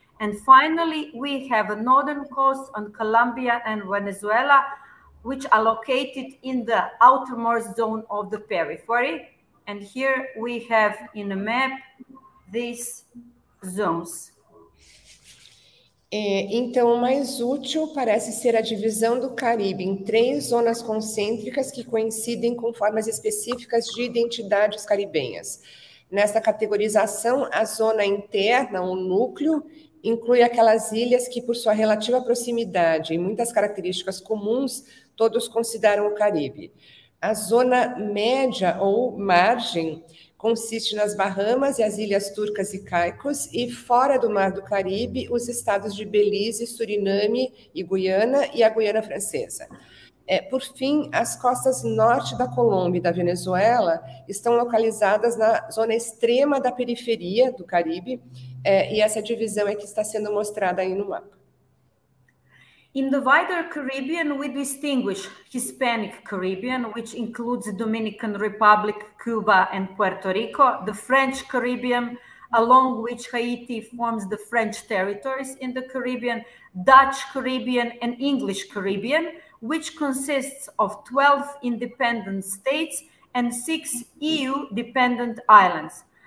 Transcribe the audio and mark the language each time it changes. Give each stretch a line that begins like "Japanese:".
English: And finally, we have a northern coast on Colombia and Venezuela, which are located in the outermost zone of the periphery. And here we have in the map these zones.
Portuguese: Então, o mais útil parece ser a divisão do Caribe em três zonas concêntricas que coincidem com formas específicas de identidades caribenhas. Nessa categorização, a zona interna, o núcleo, inclui aquelas ilhas que, por sua relativa proximidade e muitas características comuns, todos consideram o Caribe. A zona média ou margem consiste nas Bahamas e as Ilhas Turcas e Caicos e fora do Mar do Caribe, os estados de Belize, Suriname e Guiana e a Guiana Francesa. Por fim, as costas norte da Colômbia e da Venezuela estão localizadas na zona extrema da periferia do Caribe e essa divisão é que está sendo mostrada aí no mapa.
English: In the wider Caribbean, we distinguish Hispanic Caribbean, which includes the Dominican Republic, Cuba, and Puerto Rico, the French Caribbean, along which Haiti forms the French territories in the Caribbean, Dutch Caribbean, and English Caribbean, which consists of 12 independent states and 6 EU-dependent islands.